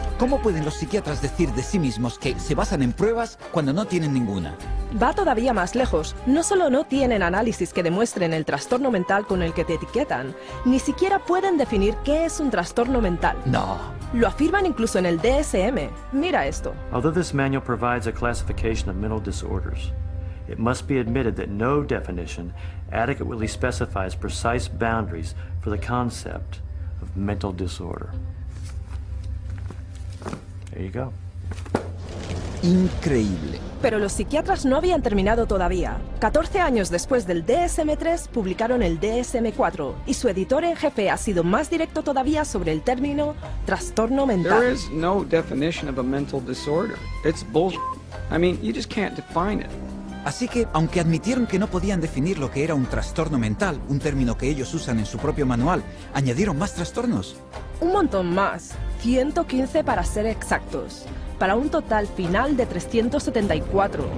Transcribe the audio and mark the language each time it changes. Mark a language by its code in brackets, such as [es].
[es] ¿Cómo pueden los psiquiatras decir de sí mismos que se basan en pruebas cuando no tienen ninguna? Va todavía más lejos. No solo no tienen análisis que demuestren el trastorno mental con el que te etiquetan, ni siquiera pueden definir qué es un trastorno mental. No. Lo afirman incluso en el DSM. Mira esto. [en] Although this manual provides a classification of mental disorders, it must be admitted that no definition adequately specifies precise boundaries for the concept of mental disorder. There you go. [es] Increíble. Pero los psiquiatras no habían terminado todavía. 14 años después del DSM-3 publicaron el DSM-4 y su editor en jefe ha sido más directo todavía sobre el término trastorno mental. [en] There is no definition of a mental disorder. It's bullshit. I mean, you just can't define it. [es] Así que, aunque admitieron que no podían definir lo que era un trastorno mental, un término que ellos usan en su propio manual, añadieron más trastornos. Un montón más. 115 para ser exactos, para un total final de 374.